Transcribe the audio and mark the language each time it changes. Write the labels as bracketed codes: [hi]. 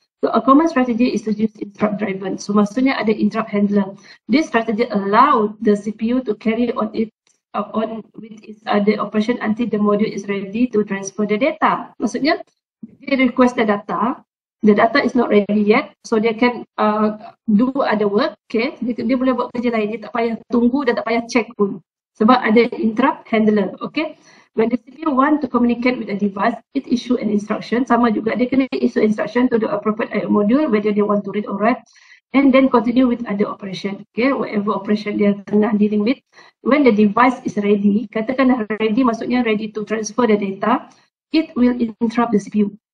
[en] So a common strategy is to use interrupt driven. [ms] So maksudnya ada interrupt handler. [en] This strategy allows the CPU to carry on with the operation until the module is ready to transfer the data. [ms] Maksudnya, dia [en] request the data is not ready yet, so [ms] dia [en] can do other work, okay? [ms] Dia boleh buat kerja lain, dia tak payah tunggu dan tak payah check pun. Sebab ada interrupt handler, okay? [en] When the CPU want to communicate with a device, it issue an instruction. [ms] Sama juga, dia kena [en] issue instruction to the appropriate I/O module, whether they want to read or write. And then continue with other operation, okay? Whatever operation [ms] dia tengah [en] dealing with. When the device is ready, [ms] katakan dah [en] ready, maksudnya ready to transfer the data, it will interrupt the CPU.